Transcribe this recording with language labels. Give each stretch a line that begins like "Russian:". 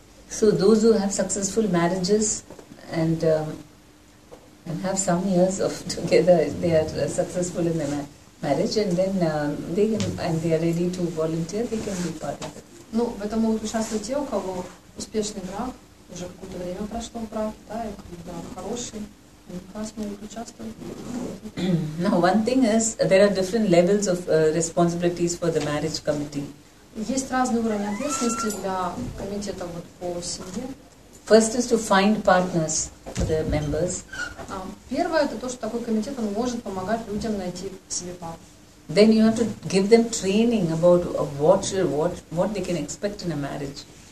English: So those who have successful marriages and have some years of together, they are successful in their marriage, and then they can, and they are ready to volunteer, they can be part of it.
Russian: Ну, в этом могут участвовать те, у кого успешный брак, уже какое-то время прошло в браке, да, и когда хороший, они как раз могут участвовать.
English: Now, one thing is, there are different levels of responsibilities for the marriage committee.
Russian: Есть разные уровни ответственности для комитета вот по семье.
English: First is to find partners for the members.
Russian: Первое, это то, что такой комитет, он может помогать людям найти себе пару.
English: Then you have to give them training about what they can expect in a marriage.